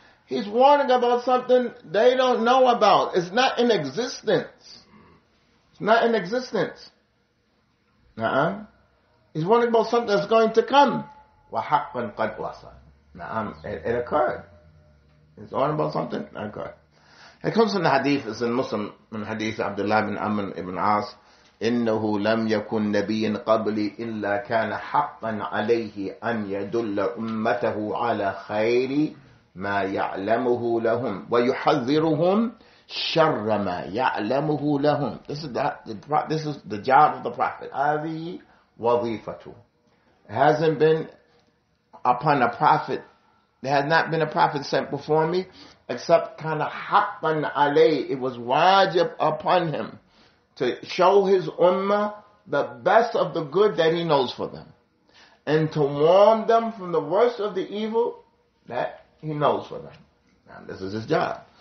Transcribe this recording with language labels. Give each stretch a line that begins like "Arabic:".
English: He's warning about something they don't know about. It's not in existence. It's not in existence. He's warning about something that's going to come.
Arabic: وَحَقٌ قَدْ وَصَى.
English: It occurred. It's all about something that occurred. It comes from the hadith, it's in Muslim, from hadith Abdullah bin Amr ibn As,
Arabic: إِنَّهُ لَمْ يَكُنْ نَبِيٍ قَبْلِ إِلَّا كَانَ حَقًّا عَلَيْهِ أَنْ يَدُلَّ أُمَّتَهُ عَلَى خَيْرِ مَا يَعْلَمُهُ لَهُمْ وَيُحَذِّرُهُمْ شَرَّ مَا يَعْلَمُهُ لَهُمْ.
English: This is the job of the Prophet.
Arabic: هَذِي وَظِيفَتُ.
English: It hasn't been upon a prophet. There has not been a prophet sent before me, except kind of haqqan alayh. It was wajib upon him to show his ummah the best of the good that he knows for them, and to warn them from the worst of the evil that he knows for them. Now, this is his job.